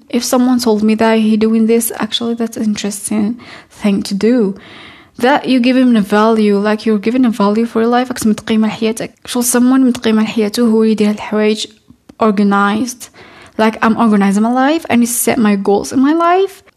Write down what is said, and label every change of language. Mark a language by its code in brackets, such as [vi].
[en] If someone told me that he doing this, actually that's an interesting thing to do. That you give him a value, like you're giving a value for your life. [ar] Someone متقيمة حياته هو يدير الحوايج organized. [en] Like I'm organizing my life and I need to set my goals in my life.